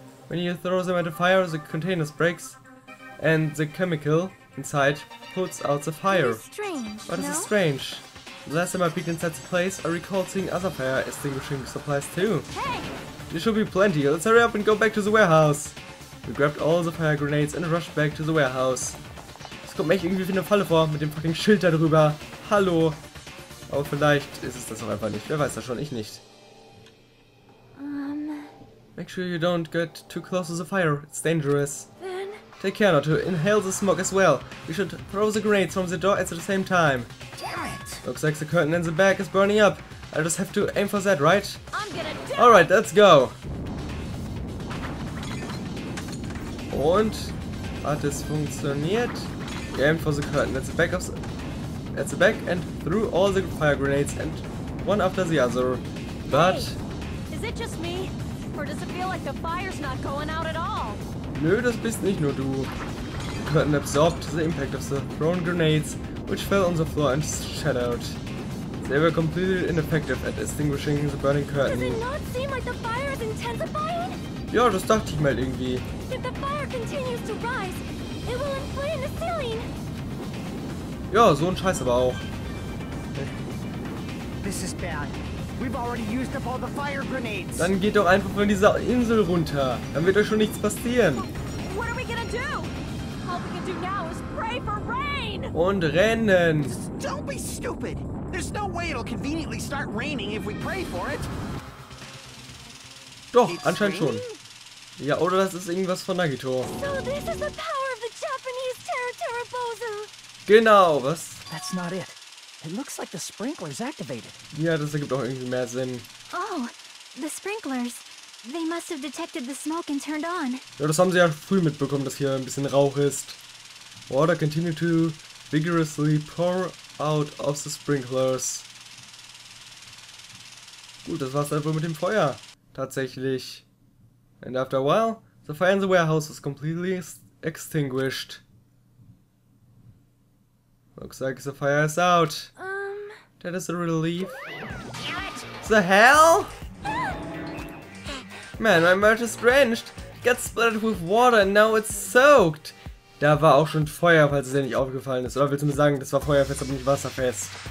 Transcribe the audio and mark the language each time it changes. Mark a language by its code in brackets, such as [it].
[en] When you throw them at a fire, the container breaks and the chemical inside puts out the fire. But it's strange. The last time I peeked inside the place, I recalled seeing other fire extinguishing supplies too. Hey! There should be plenty. Let's hurry up and go back to the warehouse. We grabbed all the fire grenades and rushed back to the warehouse. [de] Es kommt mir echt irgendwie wie eine Falle vor mit dem fucking Schild da drüber. Hallo! Aber vielleicht ist es das auch einfach nicht. Wer weiß das schon, ich nicht. [en] Make sure you don't get too close to the fire. It's dangerous. Then... Take care not to inhale the smoke as well. We should throw the grenades from the door at the same time. Damn it! Looks like the curtain in the back is burning up. I just have to aim for that, right? I'm gonna do it! Alright, let's go! [de] Und? Hat es funktioniert? [en] We aim for the curtain at the back and threw all the fire grenades and one after the other. But... Hey, is it just me? Or does it feel like the fire's not going out at all? [de] Nö, das bist nicht nur du. [en] The curtain absorbed the impact of the thrown grenades, which fell on the floor and shattered. They were completely ineffective at extinguishing the burning curtain. Does it not seem like the fire is intensifying? [de] Ja, das dachte ich mal irgendwie. [en] If the fire continues to rise, it will inflame the ceiling. [de] Ja, so ein Scheiß aber auch. [en] This is bad. We've already used up all the fire grenades. [de] Dann geht doch einfach von dieser Insel runter. Dann wird euch schon nichts passieren. [en] What are we gonna do? All we can do now is pray for rain. [de] Und rennen. [en] Don't be stupid. There's no way it'll conveniently start raining if we pray for it. [de] Doch, [en] it's [de] anscheinend [en] rain? [de] Schon. Ja, oder das ist irgendwas von Nagito. [en] So this is the power of the Japanese Terra-Terra-Bozo. [de] Genau, was? [en] That's not it. It looks like the sprinklers activated. [de] Ja, das ergibt auch irgendwie mehr Sinn. [en] Oh, the sprinklers. They must have detected the smoke and turned on. [de] Ja, das haben sie ja früh mitbekommen, dass hier ein bisschen Rauch ist. [en] Water continue to vigorously pour out of the sprinklers. [de] Gut, das war's dann wohl mit dem Feuer. Tatsächlich. [en] And after a while, the fire in the warehouse was completely extinguished. Looks like the fire is out. That is a relief. The hell? Man, my merch is drenched. It got splattered with water and now it's soaked. [de] Da war auch schon Feuer, falls es dir nicht aufgefallen ist. Oder willst du mir sagen, das war feuerfest, aber nicht wasserfest?